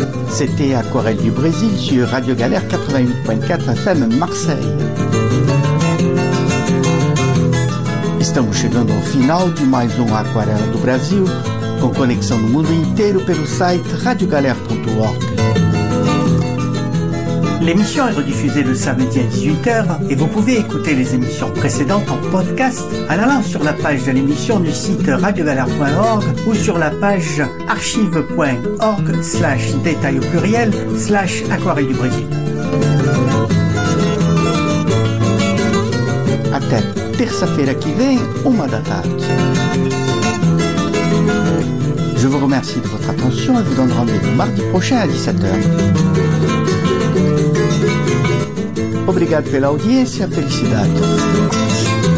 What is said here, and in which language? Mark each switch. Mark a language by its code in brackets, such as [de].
[fr] C'était Aquarelle du Brésil sur Radio Galère 88.4 FM Marseille. [pt] Estamos chegando ao final de mais Aquarela do Brasil, com conexão no mundo inteiro pelo site radiogalère.org. [fr] L'émission est rediffusée le samedi à 18h et vous pouvez écouter les émissions précédentes en podcast en allant sur la page de l'émission du site radiogalère.org ou sur la page archive.org/détail au pluriel/aquarelle du Brésil. [pt] Até terça-feira que vem, 1h da tarde. [fr] Je vous remercie de votre attention et vous donne rendez-vous mardi prochain à 17h. [pt] Obrigado pela audiência, felicidades.